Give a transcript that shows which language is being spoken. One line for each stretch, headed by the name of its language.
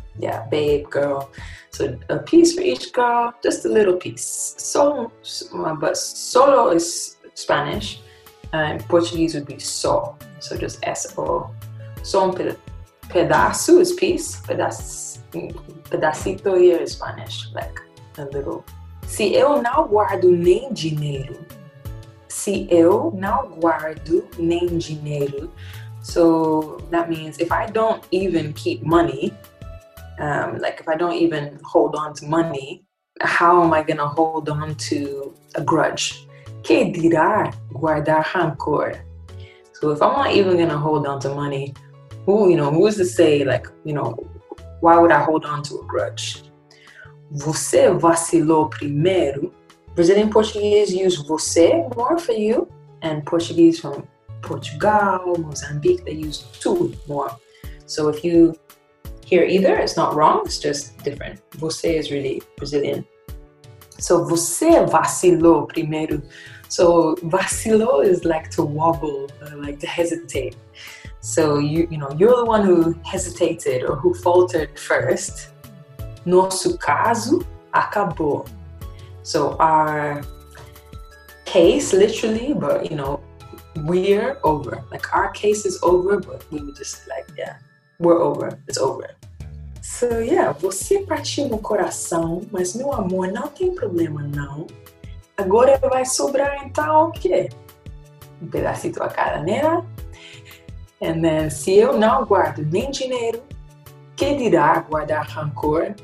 English: Yeah, babe, girl. So a piece for each girl, just a little piece. But solo is Spanish, and Portuguese would be só. So just S-O.
Portuguese: Só um pedaço
English: is piece. Pedacito here is Spanish, like a little.
Portuguese: Se eu não guardo nem dinheiro.
English: So that means if I don't even keep money, like if I don't even hold on to money, how am I gonna hold on to a grudge?
Portuguese: Que dirá guardar rancor?
English: So if I'm not even gonna hold on to money, who's to say, like, you know, why would I hold on to a grudge?
Portuguese: Você vacilou primeiro.
English: Brazilian Portuguese use você more for you, and Portuguese from Portugal, Mozambique, they use tu more. So if you hear either, it's not wrong, it's just different. Você is really Brazilian. So
Portuguese: você vacilou primeiro.
English: So vacilou is like to wobble, like to hesitate. So you're the one who hesitated or who faltered first.
Portuguese: Nosso caso acabou.
English: So our case, literally, but you know, we're over. Like our case is over, but we were just like, yeah, we're over. It's over. So yeah,
Portuguese: você partiu meu coração, mas meu amor, não tem problema não. Agora vai sobrar então o quê? Um pedacito a cada nena.
English: And then,
Portuguese: se eu não guardo nem dinheiro, que dirá guardar rancor?